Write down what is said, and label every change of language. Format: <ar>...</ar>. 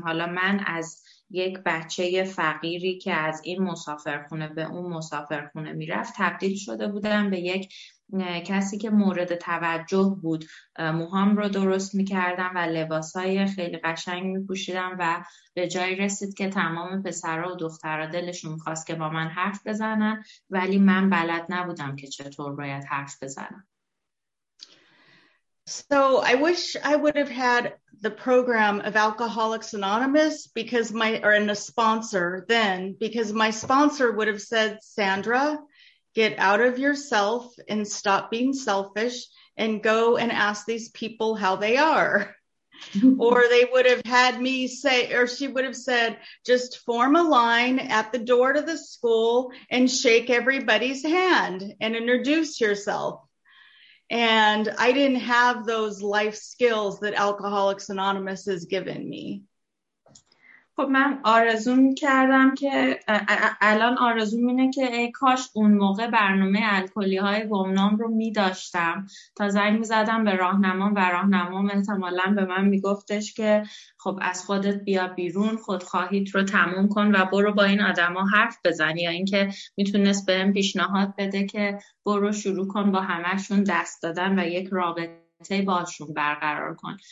<fa>حالا من از یک بچه فقیری که از این مسافرخونه به اون مسافرخونه میرفت تبدیل شده بودم به یک کسی که مورد توجه بود. موهام رو درست میکردم و لباسای خیلی قشنگ میپوشیدم و به جایی رسید که تمام پسرها و دخترها دلشون میخواست که با من حرف بزنن، ولی من بلد نبودم که چطور باید حرف بزنم.</fa> <en>So I wish I would have had the program of Alcoholics Anonymous because my, or in a sponsor then, because my sponsor would have said, Sandra, get out of yourself and stop being selfish and go and ask these people how they are. Or they would have had me say, or she would have said, just form a line at the door to the school and shake everybody's hand and introduce yourself. And I didn't have those life skills that Alcoholics Anonymous has given me.</en> <fa>خب من آرزو می‌کردم که الان آرزو اینه که ای کاش اون موقع برنامه الکلی‌های گمنام رو می‌داشتم. تا زنگ می‌زدم به راهنمام و راهنمام احتمالاً به من می‌گفتش که خب از خودت بیا بیرون، خودخواهیت رو تموم کن و برو با این آدما حرف بزن، یا اینکه می‌تونست بهم پیشنهاد بده که برو شروع کن با همه‌شون دست دادن و یک رابطه باشون برقرار کن.</fa>